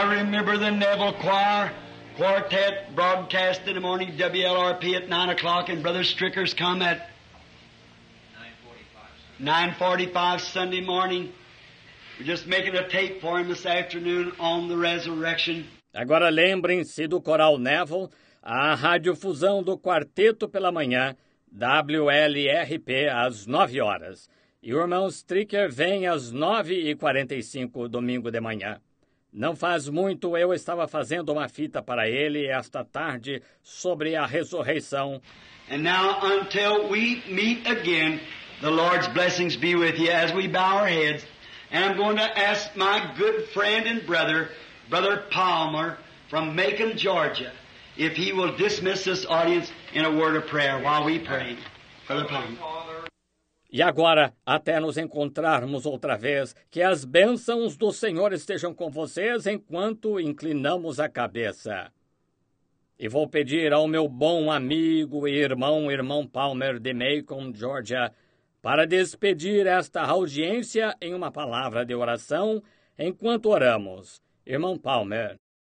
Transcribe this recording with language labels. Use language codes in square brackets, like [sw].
[en] Remember the Neville Choir Quartet broadcast in the morning, WLRP at 9 o'clock, and Brother Stricker's come at 9:45 Sunday morning. We're just making a tape for him this afternoon on the resurrection. [pt] Agora lembrem-se do Coral Neville, a radiofusão do quarteto pela manhã, WLRP, às 9 horas. E o irmão Stricker vem às 9:45 domingo de manhã. Não faz muito, eu estava fazendo uma fita para ele esta tarde sobre a ressurreição. [en] And now, until we meet again, the Lord's blessings be with you as we bow our heads. And I'm going to ask my good friend and brother, Brother Palmer from Macon, Georgia, if he will dismiss this audience in a word of prayer while we pray. Brother Palmer. [pt] E agora, até nos encontrarmos outra vez, que as bênçãos do Senhor estejam com vocês enquanto inclinamos a cabeça. E vou pedir ao meu bom amigo e irmão Palmer de Macon, Georgia, para despedir esta audiência em uma palavra de oração enquanto oramos. Irmão Palmer.